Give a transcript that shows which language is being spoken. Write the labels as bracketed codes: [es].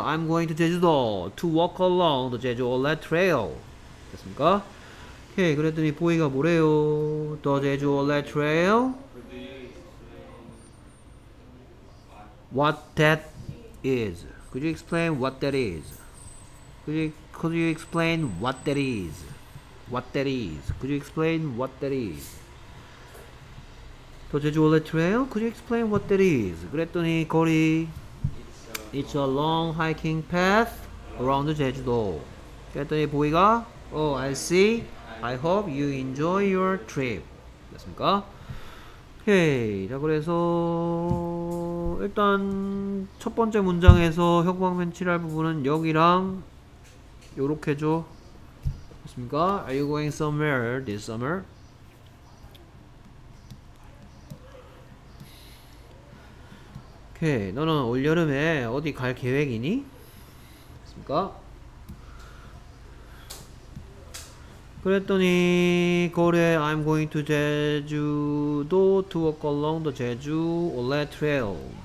[en] I'm going to Jeju-do to walk along the Jeju Olet Trail. [ko] 됐습니까? 오케이. 그랬더니 보이가 뭐래요? [en] The Jeju Olet Trail. What that is? Could you explain what that is? Could you explain what that is? What that is? Could you explain what that is? The Jeju Olet Trail? Could you explain what that is? [ko] 그랬더니 거리 [en] It's a long hiking path around Jeju-do. [ko] 그랬더니 보이가 [en] Oh, I see. I hope you enjoy your trip. [ko] 됐습니까? 오케이. 자, 그래서 일단 첫 번째 문장에서 형광펜 칠할 부분은 여기랑 요렇게죠. 됐습니까? [en] Are you going somewhere this summer? [ko] 오케이, 너는 올여름에 어디 갈 계획이니? 됐습니까? 그랬더니 거래 [en] I'm going to Jeju-do to walk along the Jeju Olet Trail.